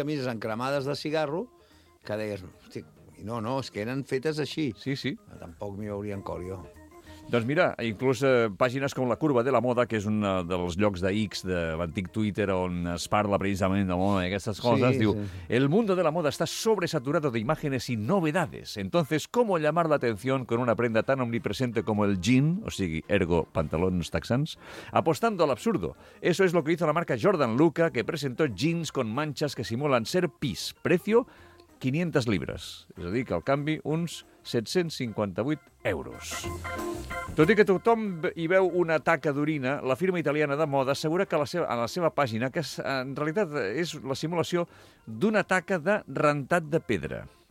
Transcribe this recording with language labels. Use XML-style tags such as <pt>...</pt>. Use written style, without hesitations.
<ca>camises encremades de cigarro, que deies, hosti, no, és que eren fetes així. Sí, sí. Tampoc m'hi veuria en cor, jo. Doncs mira, inclús pàgines com la Curva de la Moda, que és un dels llocs de X de l'antic Twitter on es parla precisament de moda i aquestes coses, sí, diu, sí.</ca> <es>El mundo de la moda está sobresaturado de imágenes y novedades. Entonces, ¿cómo llamar la atención con una prenda tan omnipresente como el jean,</es> <ca>o sigui,</ca> <es>ergo, pantalones texans, apostando al absurdo? Eso es lo que hizo la marca Jordan Luca, que presentó jeans con manchas que simulan ser pis. Precio, 500 libras.</es> <ca>És a dir, que al canvi, uns 758 euros. Tot i que tothom hi veu una taca d'orina, la firma italiana de moda assegura que en la seva pàgina, que en realitat és la simulació d'una taca de rentat de pedra.</ca>